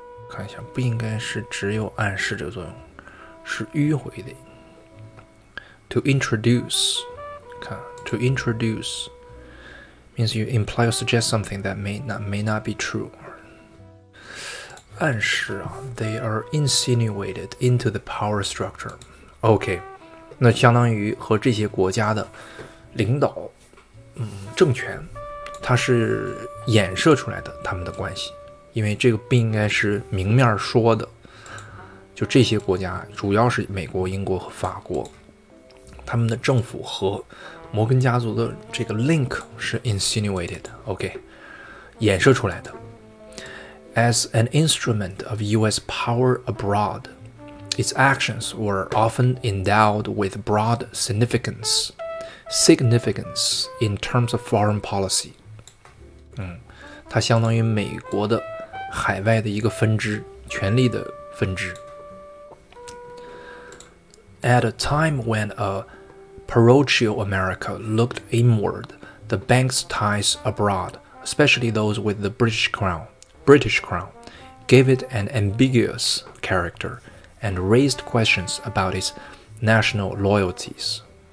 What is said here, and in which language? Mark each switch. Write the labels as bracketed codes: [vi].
[zh] 看一下，不应该是只有暗示这个作用，是迂回的。 [en] To introduce, 看 to introduce means you imply or suggest something that may not be true. [zh] 暗示啊 [en] ，they are insinuated into the power structure. [zh] OK, 那相当于和这些国家的领导，政权，它是衍射出来的他们的关系。因为这个不应该是明面说的，就这些国家主要是美国、英国和法国，他们的政府和摩根家族的这个 link 是 insinuated, OK, 衍射出来的。 [en] As an instrument of US power abroad, its actions were often endowed with broad significance in terms of foreign policy. [zh] 它相当于美国的海外的一个分支，权力的分支。 [en] At a time when a parochial America looked inward, the bank's ties abroad, especially those with the British crown, gave it an ambiguous character and raised questions about its national loyalties.